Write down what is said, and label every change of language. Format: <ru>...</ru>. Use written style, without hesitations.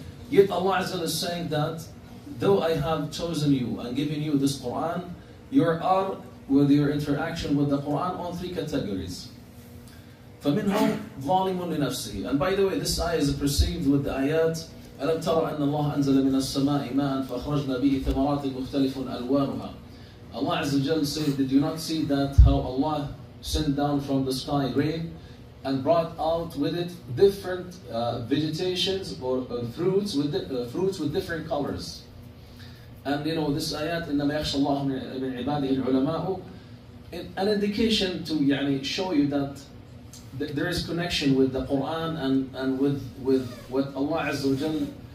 <en>Yet Allah Azza is saying that though I have chosen you and given you this Quran, with your interaction with the Quran on three categories.</en> <ar>فَمِنْهُمْ ظَالِمٌ لِنَفْسِهِ.</ar> <en>And by the way, this ayah is perceived with the ayat,</en> <ar>أَلَمْ تَرَ أَنَّ اللَّهَ أَنزَلَ مِنَ السَّمَاءِ مَاءً فَأَخْرَجْنَا بِهِ ثَمَرَاتٍ مُخْتَلِفٌ أَلْوَانُهَا.</ar> <en>Allah Azza wa Jal says, did you not see that how Allah sent down from the sky rain and brought out with it different vegetations or fruits with different colors? And this ayat,</en> <ar>إِنَّمَا يَخْشَ اللَّهُ مِنْ عِبَادِهِ الْعُلَمَاءُ,</ar> <en>an indication to show you that there is connection with the Quran and with what Allah Azza wa Jal</en>